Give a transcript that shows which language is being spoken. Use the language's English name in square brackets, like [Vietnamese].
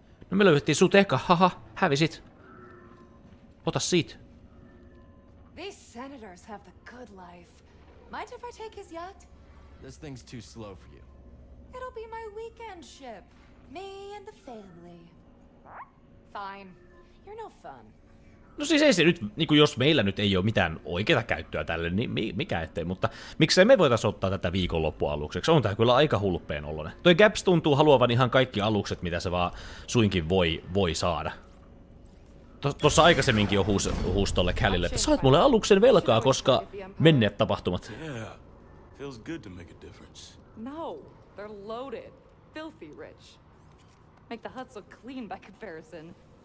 [Finnish] No me löydettiin sut eka, haha, hävisit. Ota siitä. [English] These senators have the good life. Mind if I take his yacht? This thing's too slow for you. It'll be my weekend ship. Me and the family. Fine. You're no fun. [Finnish] No siis ei se nyt, niinku jos meillä nyt ei ole mitään oikeaa käyttöä tälle, niin mikä ettei, mutta miksei me voitais ottaa tätä viikonloppualukseksi? On tää kyllä aika hulppeen ollonen. Toi Gaps tuntuu haluavan ihan kaikki alukset, mitä se vaan suinkin voi saada. Tuossa aikaisemminkin jo huusi tolle Callille, että saat mulle aluksen velkaa, koska menneet tapahtumat. [English] Yeah, feels good to make a difference. No, they're loaded. Filthy rich. Make the huts look clean by comparison.